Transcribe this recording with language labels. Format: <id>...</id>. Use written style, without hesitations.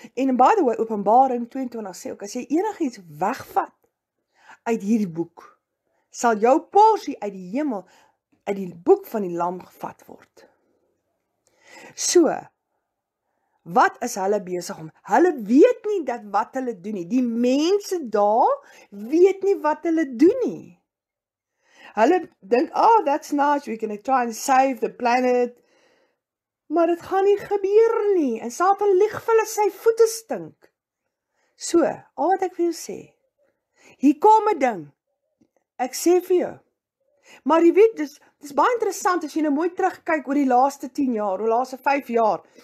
<af>En</af> <en>by the way,</en> <af>Openbaring 22 sê ook, as jy enigiets wegvat uit hierdie boek, sal jou porsie uit die hemel, uit die boek van die lam gevat word. So, wat is hulle besig om? Hulle weet nie dat wat hulle doen nie. Die mense daar weet nie wat hulle doen nie. Hulle dink,</af> <en>oh, that's nice, we can try and save the planet.</en> <af>Maar dit gaan nie gebeur nie. En Satan lieg vir hulle sy voete stink. So, al wat ek vir jou sê, hier kom 'n ding. Ek sê vir jou. Maar jy weet, dis baie interessant as jy nou mooi terugkyk oor die laaste 10 jaar, oor die laaste 5 jaar.</af>